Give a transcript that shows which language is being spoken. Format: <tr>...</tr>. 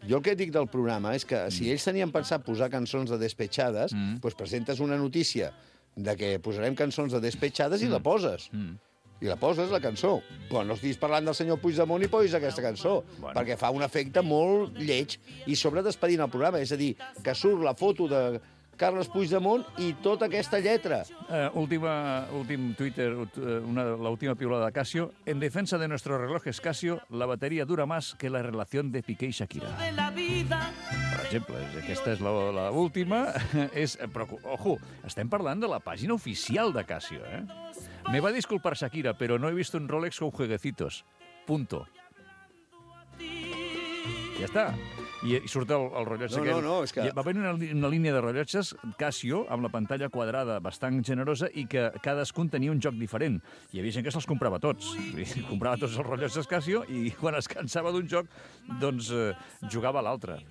<ca>Jo el que dic del programa és que si ells tenien pensat posar cançons de despetxades, pues presentes una notícia de que posarem cançons de despetxades i la poses. I la poses, la cançó. Però no estiguis parlant del senyor Puigdemont i posis aquesta cançó. Bueno. Perquè fa un efecte molt lleig i sobre despedint el programa. És a dir, que surt la foto de Carles Puigdemont i tota aquesta lletra. Últim Twitter, l'última piulada de Casio.</ca> <es>En defensa de nuestro reloj es Casio, la bateria dura más que la relación de Piqué y Shakira.</es> <ca>Per exemple, aquesta és l'última. Però, ojo, estem parlant de la pàgina oficial de Casio, eh?</ca> <es>Me va a disculpar Shakira, pero no he visto un Rolex con jueguecitos. Punto.</es> <ca>Ja està. I surt el rellotge aquell. No, és que... Va haver una línia de rellotges Casio amb la pantalla quadrada bastant generosa i que cadascun tenia un joc diferent. Hi havia gent que se'ls comprava tots. Comprava tots els rellotges Casio i quan es cansava d'un joc, doncs jugava a l'altre.</ca>